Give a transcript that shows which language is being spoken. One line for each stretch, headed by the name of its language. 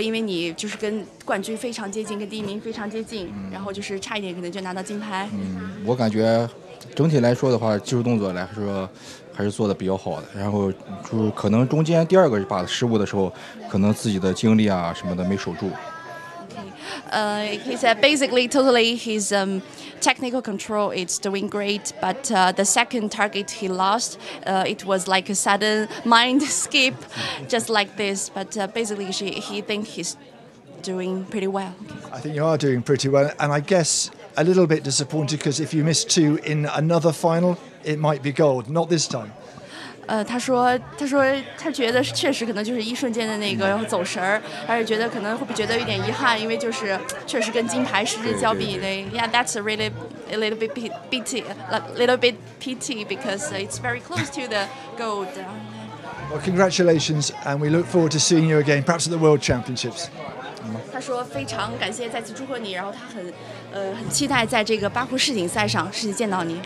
Chinese: 因为你就是跟冠军非常接近，跟第一名非常接近，然后就是差一点可能就拿到金牌。我感觉整体来说的话，技术动作来说。还是做的比较好的，然后就可能中间第二个把失误的时候，可能自己的精力啊什么的没守住。
English: He said basically totally his technical control is doing great, but the second target he lost, it was like a sudden mind skip, just like this. But basically he think he's doing pretty well. I think you are doing pretty well, and I guess a little bit disappointed because if you miss two in another final. It might be gold, not this time.
Chinese: 他说他觉得确实可能就是一瞬间的那个然后走神儿，还是觉得可能会觉得有点遗憾，因为就是确实跟金牌失之交臂的。
English: Yeah, that's a little bit pity because it's very close to the gold. Well, congratulations, and we look forward to seeing you again, perhaps at the World Championships.
Chinese: 他说非常感谢再次祝贺你，然后他很。很期待在这个巴库世锦赛上实际见到你。